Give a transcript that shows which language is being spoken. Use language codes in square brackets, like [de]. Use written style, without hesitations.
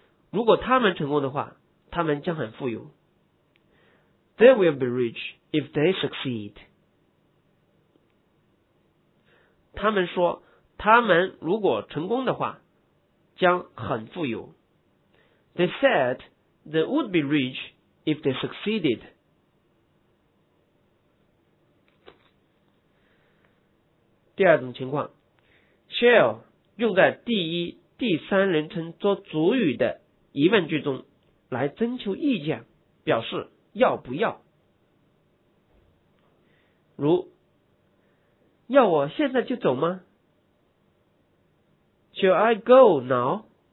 [zh] 如果他们成功的话，他们将很富有。 [en] They will be rich if they succeed。 [zh] 他们说，他们如果成功的话，将很富有。 [en] They said they would be rich if they succeeded。 [zh] 第二种情况 ，shall 用在第一、第三人称做主语的疑问句中，来征求意见，表示要不要。如要我现在就走吗 ？ [en] Shall I go now？